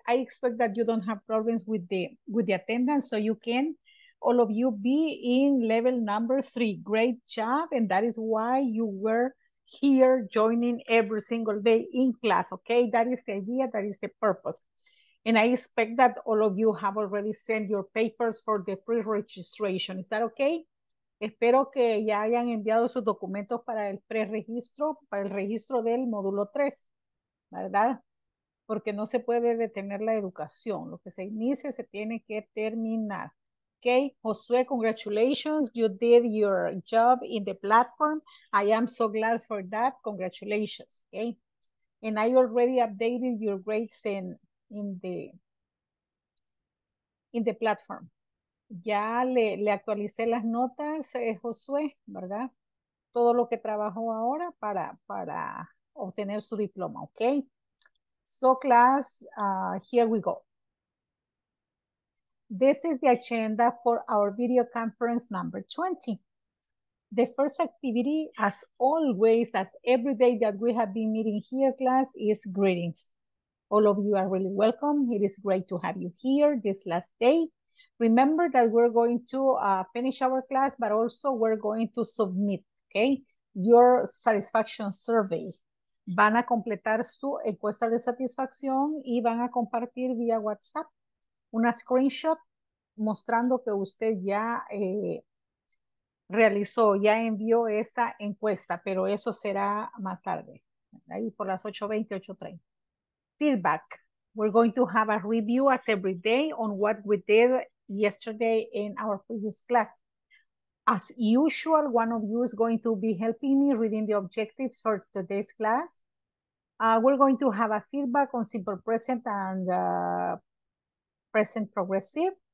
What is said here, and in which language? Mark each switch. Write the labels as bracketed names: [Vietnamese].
[English] I expect that you don't have problems with the attendance, so you can all of you be in level number 3. Great job, and that is why you were here joining every single day in class, okay? That is the idea, that is the purpose. And I expect that all of you have already sent your papers for the pre-registration. Is that okay? [Spanish] Espero que ya hayan enviado sus documentos para el pre-registro, para el registro del módulo 3, ¿verdad? Porque no se puede detener la educación. Lo que se inicia se tiene que terminar. [English] Okay, Josué, congratulations. You did your job in the platform. I am so glad for that. Congratulations. Okay. And I already updated your grades in the platform. [Spanish] Ya le actualicé las notas, Josué, ¿verdad? Todo lo que trabajó ahora para obtener su diploma. [English] Okay. So, class, here we go. This is the agenda for our video conference number 20. The first activity, as always, as every day that we have been meeting here, class, is greetings. All of you are really welcome. It is great to have you here this last day. Remember that we're going to finish our class, but also we're going to submit, okay, your satisfaction survey. [Spanish] Van a completar su encuesta de satisfacción y van a compartir vía WhatsApp una screenshot mostrando que usted ya realizó, ya envió esa encuesta, pero eso será más tarde, ahí por las 8:20, 8:30. [English] Feedback. We're going to have a review as every day on what we did yesterday in our previous class. As usual, one of you is going to be helping me reading the objectives for today's class. We're going to have a feedback on simple present and present progressive.